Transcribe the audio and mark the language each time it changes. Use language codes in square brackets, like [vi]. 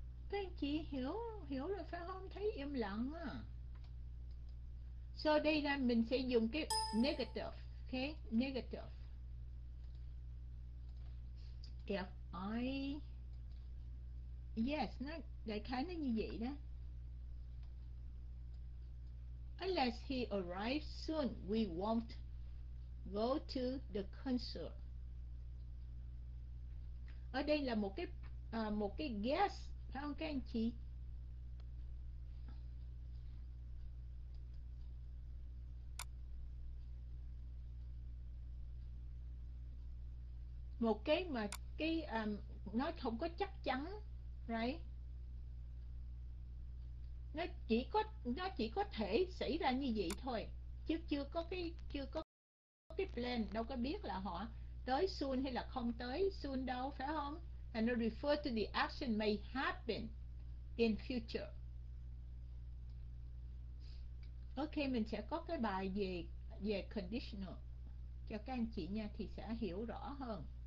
[vi] Các anh chị hiểu rồi phải không? Thấy im lặng à. So đây là mình sẽ dùng cái negative. Okay? Negative. If I... Yes, nó đại khái nó như vậy đó. [en] Unless he arrives soon, we won't go to the concert. [vi] Ở đây là một cái guess, phải không các anh chị? Một cái mà cái nó không có chắc chắn. Right. Nó chỉ có thể xảy ra như vậy thôi, chứ chưa có cái plan, đâu có biết là họ tới soon hay là không tới soon đâu, phải không? [en] And it refer to the action may happen in future. [vi] Ok, mình sẽ có cái bài về conditional cho các anh chị nha, thì sẽ hiểu rõ hơn.